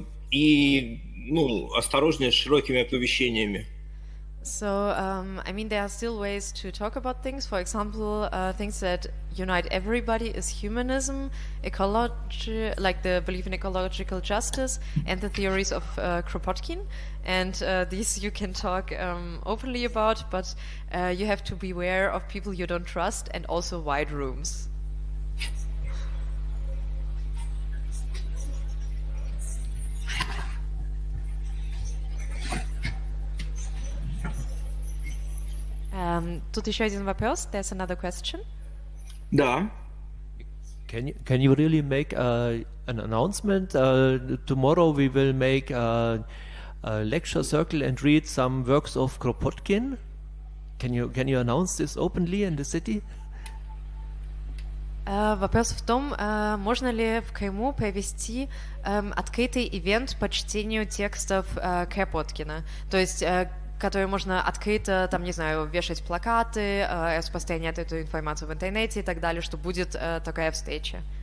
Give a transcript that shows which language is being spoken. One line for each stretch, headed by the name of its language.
Russian: И ну, осторожнее с широкими оповещениями.
English: So, I mean, there are still ways to talk about things. For example, things that unite everybody is humanism, ecology, like the belief in ecological justice, and the theories of Kropotkin. And these you can talk openly about, but you have to beware of people you don't trust and also wide rooms. Yes.
Russian: Тут еще один вопрос.
English: There's another question.
Russian: Да.
English: Can you really make an announcement? Tomorrow we will make a lecture circle and read some works of Kropotkin. Can you announce this openly in the city?
Russian: Вопрос в том, можно ли в Крыму провести открытый ивент по чтению текстов Кропоткина? То есть, которые можно открыто, там, не знаю, вешать плакаты, распространять эту информацию в интернете и так далее, что будет такая встреча?